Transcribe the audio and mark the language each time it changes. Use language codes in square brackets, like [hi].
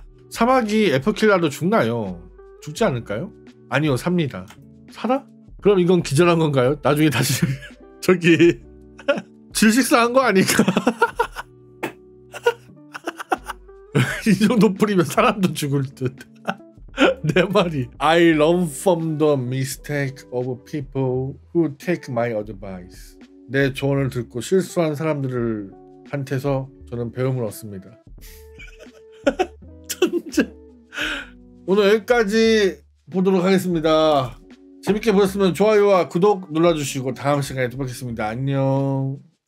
[ko] 사마귀 에퍼킬라도 죽나요? 죽지 않을까요? 아니요, 삽니다. 살아? 그럼 이건 기절한 건가요? 나중에 다시 저기 질식사 한 거 아닐까? 이 정도 뿌리면 사람도 죽을 듯. 내 말이 [en] I learn from the mistake of people who take my advice. [ko] 내 조언을 듣고 실수한 사람들을 한테서 저는 배움을 얻습니다. 천재. 오늘 여기까지 보도록 하겠습니다. 재밌게 보셨으면 좋아요와 구독 눌러주시고 다음 시간에 또 뵙겠습니다. 안녕.